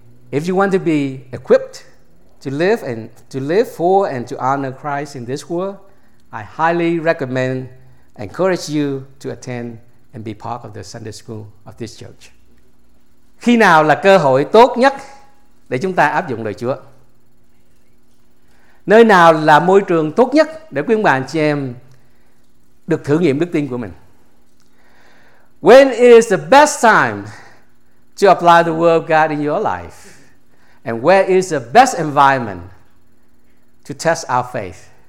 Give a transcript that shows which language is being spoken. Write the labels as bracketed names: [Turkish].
[English] If you want to be equipped to live for and to honor Christ in this world, I highly recommend, encourage you to attend and be part of the Sunday School of this church. [Vietnamese] Khi nào là cơ hội tốt nhất để chúng ta áp dụng lời Chúa. Nơi nào là môi trường tốt nhất để quý ông bà anh chị em được thử nghiệm đức tin của mình? [English] When is the best time to apply the word of God in your life? And where is the best environment to test our faith?